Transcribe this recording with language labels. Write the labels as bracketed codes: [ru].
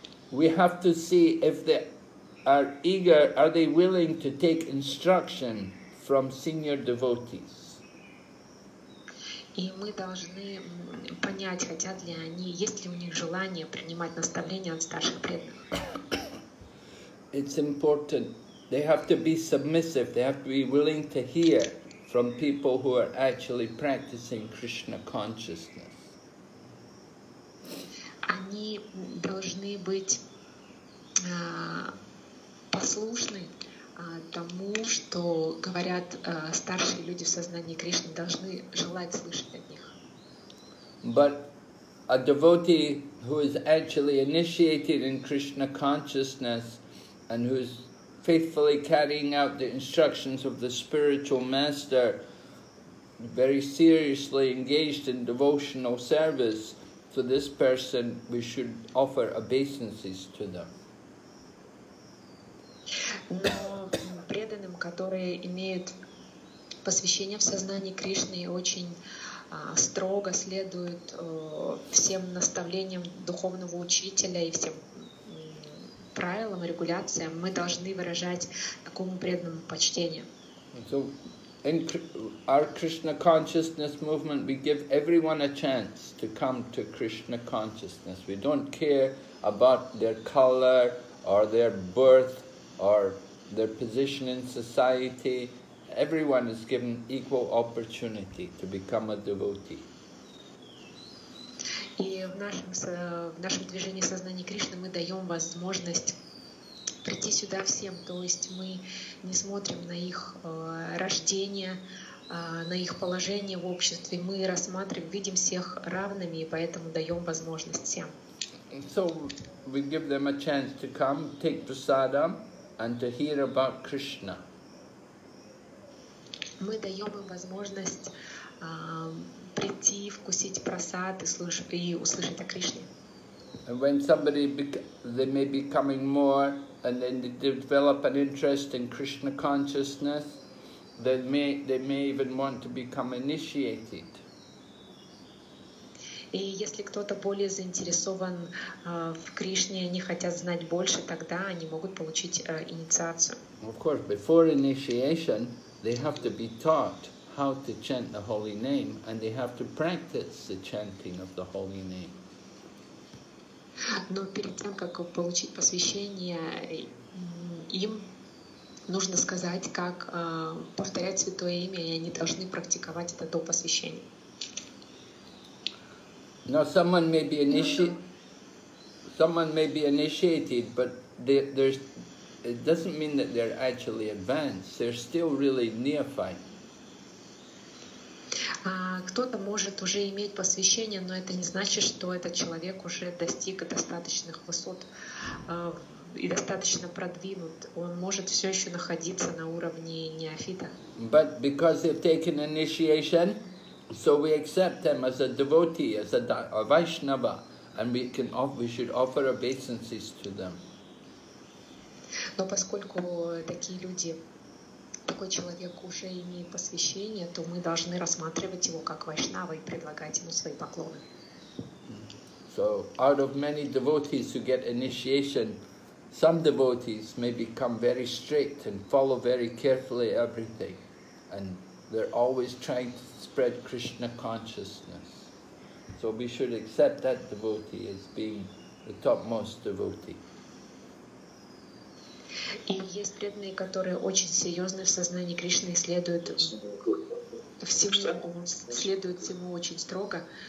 [en] We have to see if they are eager, are they willing to take instruction from senior devotees. [ru] И мы должны понять, хотят ли они, есть ли у них желание принимать наставления от старших преданных. [en] It's important. They have to be submissive. They have to be willing to hear from people who are actually practicing Krishna consciousness. [ru] Они должны быть послушны тому, что говорят старшие люди в сознании Кришны, должны желать слышать от них. [en] But a devotee who is actually initiated in Krishna consciousness and who is faithfully carrying out the instructions of the spiritual master, very seriously engaged in devotional service, so this person, we should offer obeisances to them. [ru] Но преданным, которые имеют посвящение в сознании Кришны, очень строго следуют всем наставлениям духовного учителя и всем правилам и регуляциям, мы должны выражать такому преданному почтение. [en] So in our Krishna consciousness movement, we give everyone a chance to come to Krishna consciousness. We don't care about their color or their birth or their position in society, everyone is given equal opportunity to become a devotee. [ru] И в нашем движении сознания Кришны мы даем возможность прийти сюда всем, то есть мы не смотрим на их рождение, на их положение в обществе, мы рассматриваем, видим всех равными, и поэтому даем возможность всем. [en] So we give them a chance to come, take prasadam, and to hear about Krishna. [ru] Мы даем им возможность прийти, вкусить прасад и услышать о Кришне. [en] And when somebody they may be coming more, and then they develop an interest in Krishna consciousness, they may even want to become initiated. [ru] И если кто-то более заинтересован в Кришне, они хотят знать больше, тогда они могут получить инициацию. [en] Of course, before initiation, they have to be taught how to chant the holy name, and they have to practice the chanting of the holy name. [ru] Но перед тем, как получить посвящение, им нужно сказать, как повторять святое имя, и они должны практиковать это до посвящения. [en] Now someone may be initiated, but it doesn't mean that they're actually advanced. They're still really neophyte. [ru] Кто-то может уже иметь посвящение, но это не значит, что этот человек уже достиг достаточных высот и достаточно продвинут. Он может все еще находиться на уровне неофита. [en] But because they've taken initiation, so we accept them as a devotee, as a Vaishnava, and we should offer obeisances to them. [ru] Но поскольку такие люди, такой человек уже имеет посвящение, то мы должны рассматривать его как вайшнава и предлагать ему свои поклоны. [en] So out of many devotees who get initiation, some devotees may become very strict and follow very carefully everything, and they're always trying to spread Krishna consciousness. So we should accept that devotee as being the topmost devotee. [ru] И есть преданные, которые очень серьезны в сознании Кришны и следуют всему очень строго.